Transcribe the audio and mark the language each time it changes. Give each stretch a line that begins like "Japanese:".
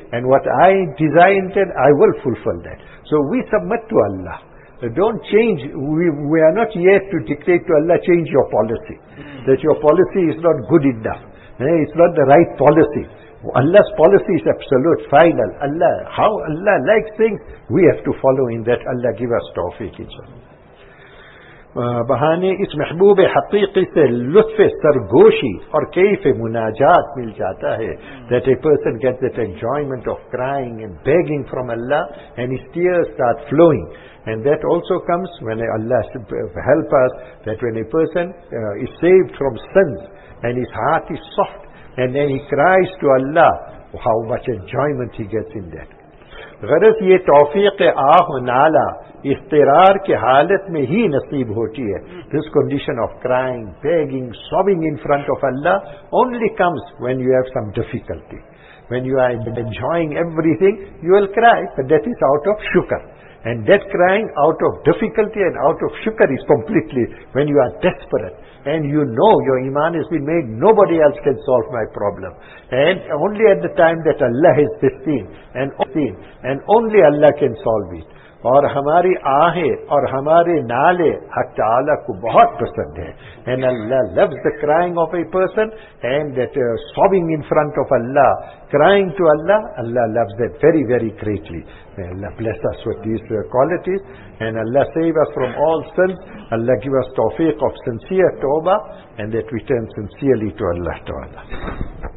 English: And what I desire and intend, I will fulfill that. So we submit to Allah. Don't change. We are not here to dictate to Allah, change your policy. That your policy is not good enough. It's not the right policy. Allah's policy is absolute, final. Allah, how Allah likes things, we have to follow in that. Allah give us tawfiq, inshallah.
Urdu: بہانے اس محبوب حقیقی سے لطف سرگوشی اور کیف مناجات مل جاتا ہے.
English: That a person gets that enjoyment of crying and begging from Allah and his tears start flowing. And that also comes when Allah help us, that when a person is saved from sins and his heart is soft and then he cries to Allah, how much enjoyment he gets in that.
Urdu: غرض یہ توفیق آہ نالا اضطرار کے حالت میں ہی نصیب ہوتی ہے.
English: This condition of crying, begging, sobbing in front of Allah only comes when you have some difficulty. When you are enjoying everything, you will cry, but that is out of shukr. And that crying out of difficulty and out of shukr is completely when you are desperate. And you know your iman has been made, nobody else can solve my problem. And only at the time that Allah has this thing, and only Allah can solve it.
Urdu: اور ہماری آہیں اور ہمارے نالے حق تعالیٰ کو بہت پسند ہیں.
English: And Allah loves the crying of a person and that sobbing in front of Allah, crying to Allah, Allah loves that very, very greatly. May Allah bless us with these qualities and Allah save us from all sins. Allah give us tawfiq of sincere tawbah and that we turn sincerely to Allah Ta'ala.